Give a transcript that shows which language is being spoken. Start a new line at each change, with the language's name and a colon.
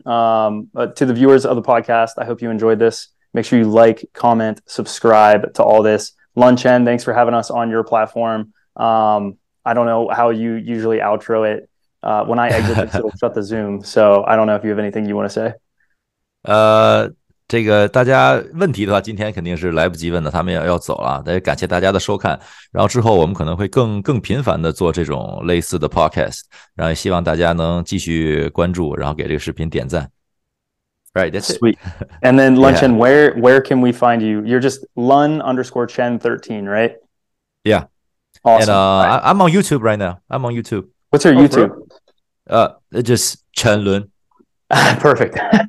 English: To the viewers of the podcast, I hope you enjoyed this. Make sure you like, comment, subscribe to all this. Lunchen, thanks for having us on your platform. I don't know how you usually outro it. When I exit, it'll shut the Zoom. So I don't know if you have anything you want to say.
Chinese: 这个大家问题的话，今天肯定是来不及问的，他们要走了。感谢大家的收看，然后之后我们可能会更频繁的做这种类似的 podcast， 然后希望大家能继续关注，然后给这个视频点赞。
English: Right, that's sweet. And then Lunchen, where can we find you? You're just Lun_Chen13, right? Yeah. Awesome. And I'm on YouTube right now. I'm on YouTube. What's your YouTube? Just Chen Lun. Perfect.